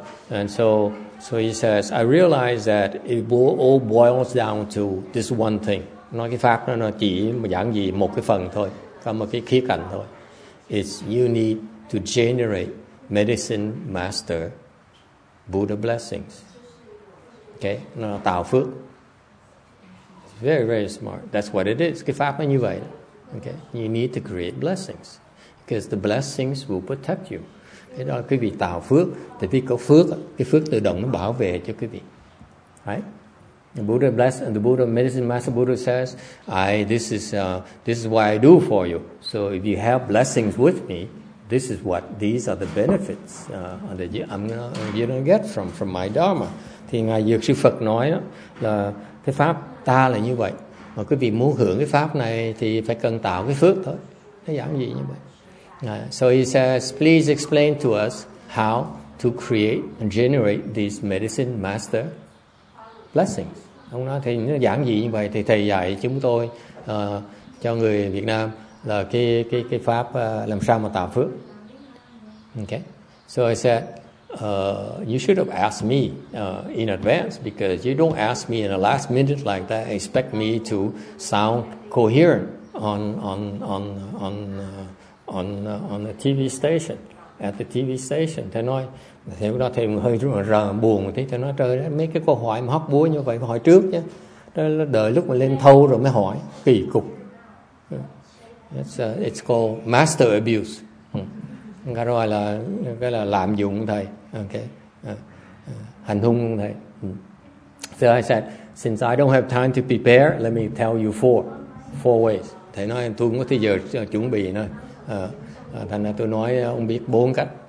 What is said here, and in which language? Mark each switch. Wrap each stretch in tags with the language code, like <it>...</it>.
<en>And so he says, I realize that it all boils down to this one thing.</en> <vi>Nói cái pháp nó chỉ giảng gì một cái phần thôi, có một cái khía cạnh thôi.</vi> <en>It's you need to generate Medicine Master Buddha blessings. Okay,</en> <vi>nó tạo phước.</vi> <en>Very, very smart. That's what it is.</en> <vi>Cái pháp nó như vậy.</vi> <en>Okay, you need to create blessings because the blessings will protect you.</en> <vi>Thế đó quý vị tạo phước, thì vì có phước, cái phước tự động nó bảo vệ cho quý vị.</vi> <en>Right? The Buddha, Medicine Master Buddha says, this is what I do for you. So if you have blessings with me, these are the benefits that you're gonna get from my Dharma.</en> <vi>Thì Ngài Dược Sư Phật nói đó, là cái pháp ta là như vậy. Mà quý vị muốn hưởng cái pháp này thì phải cần tạo cái phước thôi. Nó giảng gì như vậy?</vi> <en>So he says, please explain to us how to create and generate these Medicine Master blessings.</en> <vi>Ông nói, thầy giảng gì như vậy? Thì thầy dạy chúng tôi cho người Việt Nam là cái pháp làm sao mà tạo phước.</vi> <en>Okay. So I said, you should have asked me in advance, because you don't ask me in the last minute like that, expect me to sound coherent on the TV station, at the TV station.</en> <vi>Thầy nói, thầy cũng nói thầy hơi rất là buồn một tí. Thầy nói, trời ơi, mấy cái câu hỏi mà hóc búa như vậy, hỏi trước nhé. Đợi lúc mà lên thâu rồi mới hỏi, kỳ cục.</vi> <en>It's called master abuse.</en> <vi>Cái đó là cái là lạm dụng thầy, okay. Hành hung thầy.</vi> <en>So I said, since I don't have time to prepare, let me tell you four ways.</en> <vi>Thầy nói, tôi không có thời giờ chuẩn bị nữa. Thành ra tôi nói ông biết bốn cách.</vi>